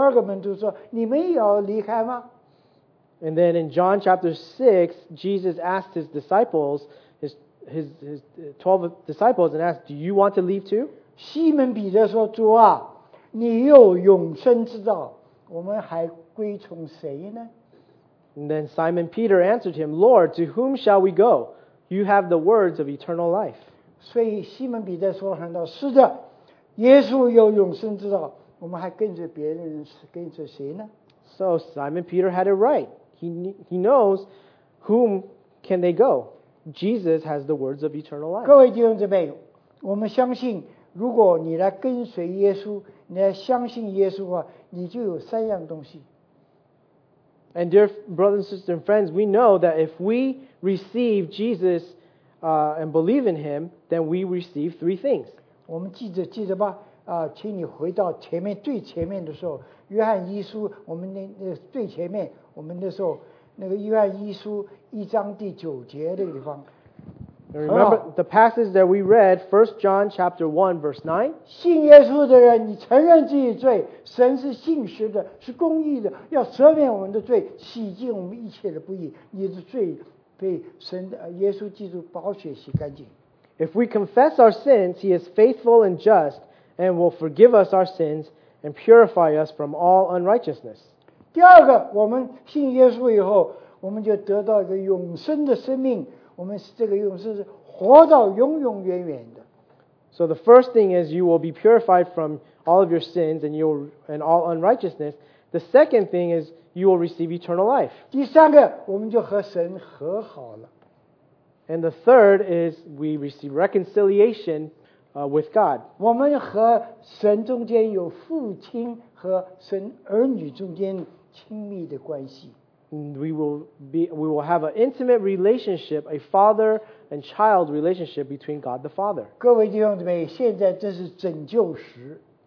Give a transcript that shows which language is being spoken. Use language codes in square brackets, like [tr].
[zh] 所以在约翰福音第六章67-68节，耶稣对了12个门徒说：“你们也要离开吗？” [en] And then in John chapter 6, Jesus asked His disciples, His 12 disciples, and asked, "Do you want to leave too?" [zh] 西门彼得说：“主啊！” 你有永生之道, 我们还归从谁呢? [en] And then Simon Peter answered him, Lord, to whom shall we go? You have the words of eternal life. [zh] 所以西门彼得说很多，是的，耶稣有永生之道，我们还跟着别人，跟着谁呢？ [en] So Simon Peter had it right. He knows whom can they go. Jesus has the words of eternal life. [zh] 各位弟兄姊妹，我们相信，如果你来跟随耶稣，你来相信耶稣的话，你就有三样东西。 [en] And dear brothers and sisters and friends, we know that if we receive Jesus, and believe in him, then we receive three things. [zh] 我们记着吧，请你回到前面最前面的时候，约翰一书，我们那最前面，我们那时候那个约翰一书一章第九节那个地方。 [en] Remember the passage that we read, 1 John chapter 1, verse 9. [zh] 信耶稣的人，你承认自己罪，神是信实的，是公义的，要赦免我们的罪，洗净我们一切的不义，你的罪被神耶稣基督宝血洗干净。 [en] If we confess our sins, he is faithful and just, and will forgive us our sins, and purify us from all unrighteousness. [zh] 第二个，我们信耶稣以后，我们就得到一个永生的生命。我们这个永生是活到永永远远的。 [en] So the first thing is you will be purified from all of your sins and all unrighteousness. The second thing is you will receive eternal life. [zh] 第三个，我们就和神和好了。 [en] And the third is we receive reconciliation with God. [zh] 我们和神中间有父亲和神儿女中间亲密的关系。 [en] We will have an intimate relationship, a father and child relationship between God the Father. [zh] 各位弟兄姊妹，现在这是拯救时。